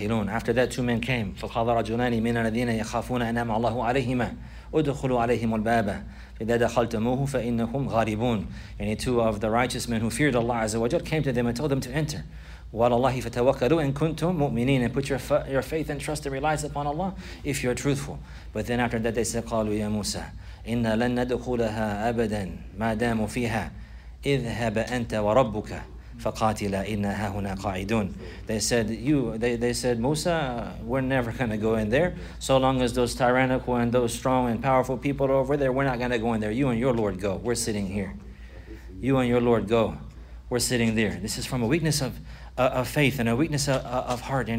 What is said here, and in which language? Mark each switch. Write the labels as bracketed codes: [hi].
[en] After that, two men came. [ar] فَقَالَ رَجُلَانِ مِنَ الَّذِينَ يَخَافُونَ أَنَّمَا اللَّهُ عَلَيْهِمَا أُدْخُلُوا عَلَيْهِمُ الْبَابَ فَإِذَا دَخَلْتُمُوهُ فَإِنَّكُمْ غَارِبُونَ. [en] And two of the righteous men who feared Allah Azza wa Jal came to them and told them to enter. [ar] وَاللَّهِ فَتَوَكَّلُوا إِن كُنْتُم مُؤْمِنِينَ. [en] And put your faith and trust and relies upon Allah if you're truthful. But then after that, they said, [ar] قَالُوا يَا مُوسَى إِنَّا لَن نَدْخُلَهَا أَبَدًا مَا دَامُوا فِيهَا اذْهَبْ أَنْتَ وَرَبُّكَ فَقَاتِلَ إِنَّا هَا هُنَا قَاعِدُونَ. [en] They said, Musa, we're never going to go in there. So long as those tyrannical and those strong and powerful people are over there, we're not going to go in there. You and your Lord go. We're sitting here. You and your Lord go. We're sitting there. This is from a weakness of faith and a weakness of heart.